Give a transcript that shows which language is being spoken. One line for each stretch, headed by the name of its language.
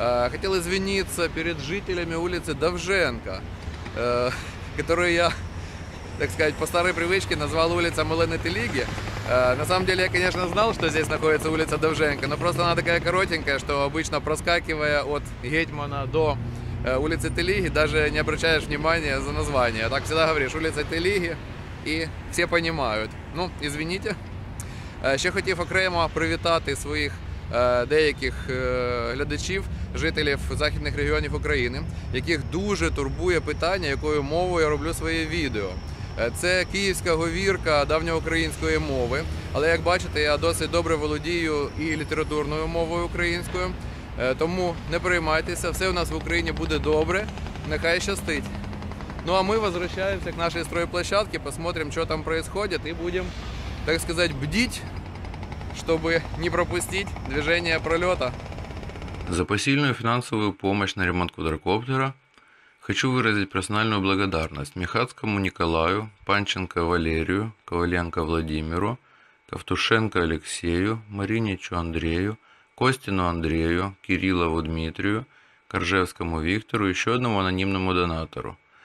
Russian: Хотел извиниться перед жителями улицы Довженко, которую я, так сказать, по старой привычке назвал улица Мелены Телиги. На самом деле, я, конечно, знал, что здесь находится улица Довженко, но просто она такая коротенькая, что обычно, проскакивая от Гетьмана до улицы Телиги, даже не обращаешь внимания за название. Так всегда говоришь, улица Телиги, и все понимают. Ну, извините.
Ukrainian: Ще хотів окремо привітати своїх деяких глядачів, жителів західних регіонів України, яких дуже турбує питання, якою мовою я роблю своє відео. Це київська говірка давньоукраїнської мови, але, як бачите, я досить добре володію і літературною мовою українською, тому не переймайтеся, все у нас в Україні буде добре, нехай щастить.
Russian: Ну а мы возвращаемся к нашей стройплощадке, посмотрим, что там происходит, и будем, так сказать, бдить, чтобы не пропустить движение пролета. За посильную финансовую помощь на ремонт квадрокоптера хочу выразить персональную благодарность Михатскому Николаю, Панченко Валерию, Коваленко Владимиру, Ковтушенко Алексею, Мариничу Андрею, Костину Андрею, Кириллову Дмитрию, Коржевскому Виктору и еще одному анонимному донатору.